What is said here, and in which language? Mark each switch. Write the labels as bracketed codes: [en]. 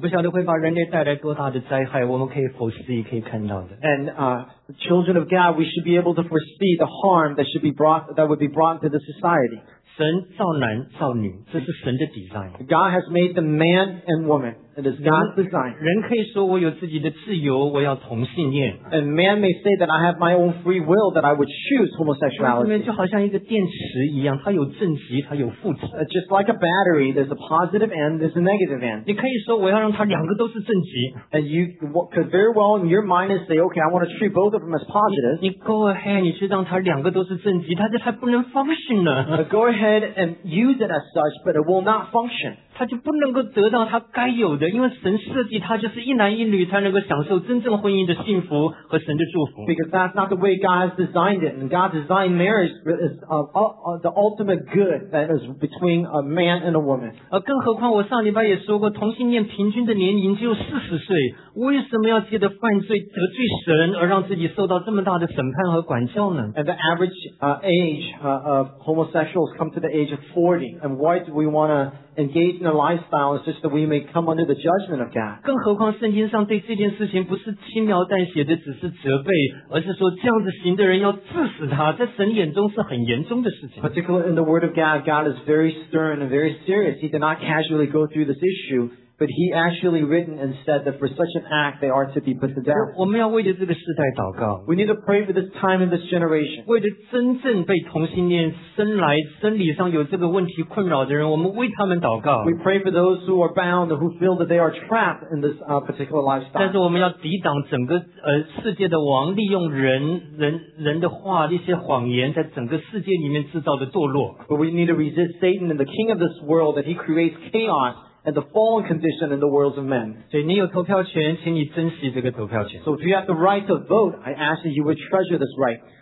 [zh] 不晓得会把人类带来多大的灾害，我们可以否视，可以看到的。 [en] And children of God, we should be able to foresee the harm that would be brought to the society. [zh] 神造男造女，这是神的 design. [en] God has made the man and woman. It is God's design. [zh] 人可以说我有自己的自由，我要同性恋。 [en] And man may say that I have my own free will, that I would choose homosexuality. [zh] 就好像一个电池一样，它有正极，它有负极。 [en] Just like a battery, there's a positive end, there's a negative end. [zh] 你可以说我要让它两个都是正极。 [en] And you could very well in your mind say, okay, I want to treat both of them as positive. [zh] 你 [en] go ahead, [zh] 你去让它两个都是正极，但是它不能 function 呢。 [en] Go ahead. And use it as such, but it will not function. [zh] 他就不能够得到他该有的，因为神设计他就是一男一女才能够享受真正婚姻的幸福和神的祝福。 [en] Because that's not the way God has designed it, and God designed marriage as the ultimate good that is between a man and a woman. [zh] 更何况我上礼拜也说过，同性恋平均的年龄只有40岁，为什么要借着犯罪得罪神而让自己受到这么大的审判和管教呢？ [en] And the average age of homosexuals come to the age of 40, and why do we want to engage in a lifestyle is just that we may come under the judgment of God. [zh] 更何况圣经上对这件事情不是轻描淡写的只是责备，而是说这样子行的人要治死他，在神眼中是很严重的事情。 [en] Particularly in the word of God, God is very stern and very serious. He did not casually go through this issue. But he actually written and said that for such an act, they are to be put to death. [zh] 我们要为着这个时代祷告。 [en] We need to pray for this time and this generation. [zh] 为着真正被同性恋生理上有这个问题困扰的人，我们为他们祷告。 [en] We pray for those who are bound or who feel that they are trapped in this particular lifestyle. [zh] 但是我们要抵挡整个世界的王利用人的话，一些谎言在整个世界里面制造的堕落。 [en] But we need to resist Satan and the king of this world that he creates chaos. And the fallen condition in the worlds of men. So if you have the right to vote, I ask that you would treasure this right.